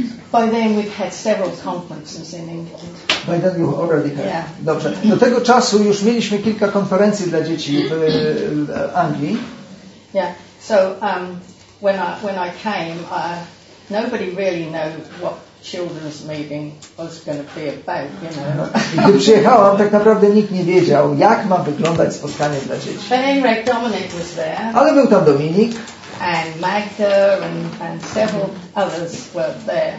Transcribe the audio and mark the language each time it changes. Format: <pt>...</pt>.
<en>By then we've had several conferences in England. By then you already had. Yeah.</en> <pl>Dobrze. Do tego czasu już mieliśmy kilka konferencji dla dzieci w Anglii.</pl> <en>Yeah. So when I came, nobody really knew what children's meeting was going to be about, you know.</en> <pl>Gdy przyjechałam, tak naprawdę nikt nie wiedział, jak ma wyglądać spotkanie dla dzieci.</pl> <en>But anyway, Dominic was there.</en> <pl>Ale był tam Dominik.</pl> <en>And Magda and several others were there.</en>